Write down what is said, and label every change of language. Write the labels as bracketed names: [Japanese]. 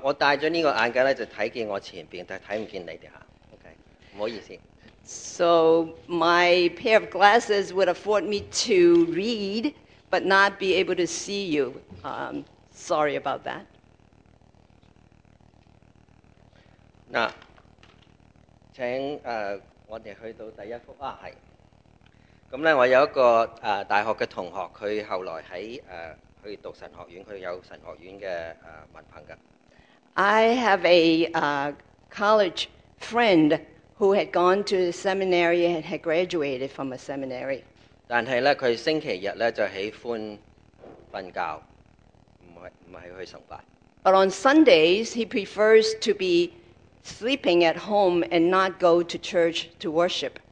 [Cantonese] 我戴咗呢個眼鏡咧，就睇見我前邊，但係睇唔見你哋嚇。 OK， 唔好意思。 [English] So my pair of glasses would afford me to read, but not be able to see you. Sorry about that. [Cantonese] 嗱，請我哋去到第一幅啊，係。咁咧，我有一個大學嘅同學，佢後來喺去讀神學院，佢有神學院嘅文憑噶。 [English] I have a college friend who had gone to the seminary and had graduated from a seminary。 [Cantonese] 但係咧，佢星期日咧就喜歡瞓覺，唔係去崇拜。 [English] But on Sundays he prefers to be sleeping at home and not go to church to worship。